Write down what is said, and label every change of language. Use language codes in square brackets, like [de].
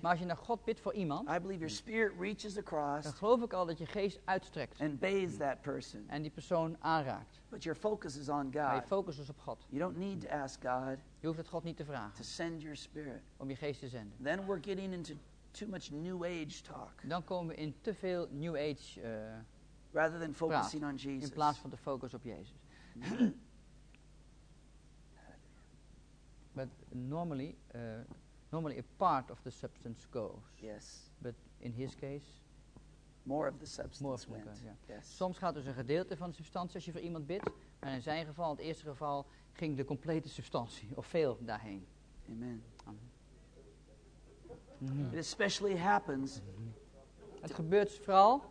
[nl] maar als je naar God bidt voor iemand, [en] I believe your spirit reaches across. [nl] Dan geloof ik al dat je geest uitstrekt. [en] And bathes that person. [nl] En die persoon aanraakt. [en] But your focus is on God. [nl] Maar je focus is op God. [en] You don't need to ask God. [nl] Je hoeft het God niet te vragen. [en] To send your spirit. [nl] Om je geest te zenden. [en] Then we're getting into too much New Age talk. [nl] Dan komen we in te veel New Age. [en] Rather than focusing on Jesus. [nl] In plaats van te focussen op Jezus. [en] But normally, a part of the substance goes. Yes. But in his case, more of the substance more of went. Yeah. Yes. [nl] Soms gaat dus een gedeelte van de substantie als je voor iemand bidt, maar in zijn geval, in het eerste geval, ging de complete substantie of veel daarheen. [en] Amen. It especially happens. [nl] Het gebeurt vooral